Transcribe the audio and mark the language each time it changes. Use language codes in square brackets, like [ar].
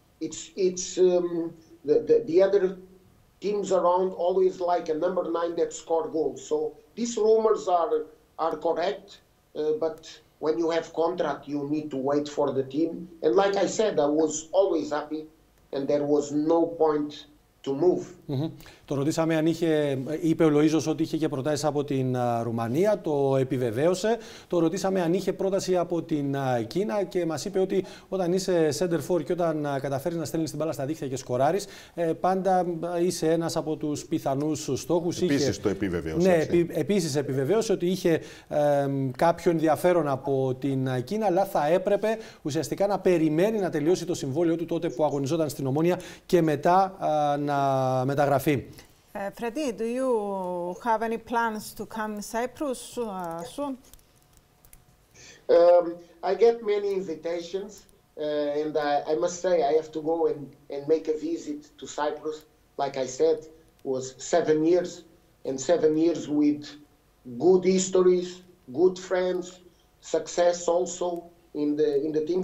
[en] It's the other teams around always like a number nine that score goals. So these rumors are correct, but when you have contract, you need to wait for the team. And like I said, I was always happy, and there was no point to move. [el] Το ρωτήσαμε αν είχε, είπε ο Λοΐζος ότι είχε και προτάσεις από την Ρουμανία, το επιβεβαίωσε. Το ρωτήσαμε αν είχε πρόταση από την Κίνα και μας είπε ότι όταν είσαι center forward και όταν καταφέρεις να στέλνεις την μπάλα στα δίχτυα και σκοράρεις, πάντα είσαι ένας από τους πιθανούς στόχους. Επίσης είχε, το επιβεβαίωσε. Ναι, επίσης επιβεβαίωσε ότι είχε κάποιο ενδιαφέρον από την Κίνα, αλλά θα έπρεπε ουσιαστικά να περιμένει να τελειώσει το συμβόλαιό του τότε που αγωνιζόταν στην Ομόνια και μετά να μεταγραφεί. [en] Freddy, do you have any plans to come to Cyprus soon? I get many invitations, and I must say I have to go and make a visit to Cyprus. Like I said, was 7 years, and 7 years with good histories, good friends, success also in the team.